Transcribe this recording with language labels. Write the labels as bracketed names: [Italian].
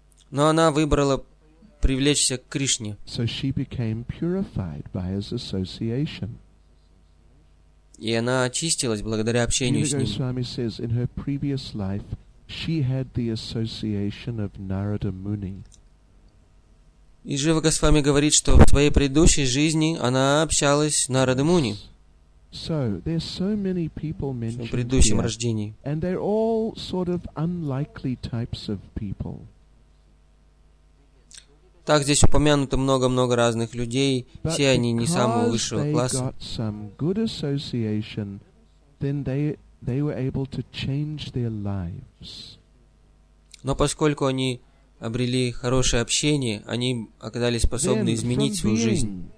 [Russian] Но она выбрала привлечься к Кришне. И она очистилась благодаря общению с ним. [English] Swami says in her previous life she had the association of Narada Muni. [Russian] И Джива Госвами говорит, что в своей предыдущей жизни она общалась с Нарада Муни. [English] So, there's so many people mentioned [Russian] в предыдущем рождении. [English] And they're all sort of unlikely types of people. [Russian] Так, здесь упомянуто много-много разных людей, [English] but [Russian] все они не самого высшего класса. [English] Got some good association, then they were able to change their lives. [Russian] Но поскольку они обрели хорошее общение, они оказались способны изменить свою жизнь.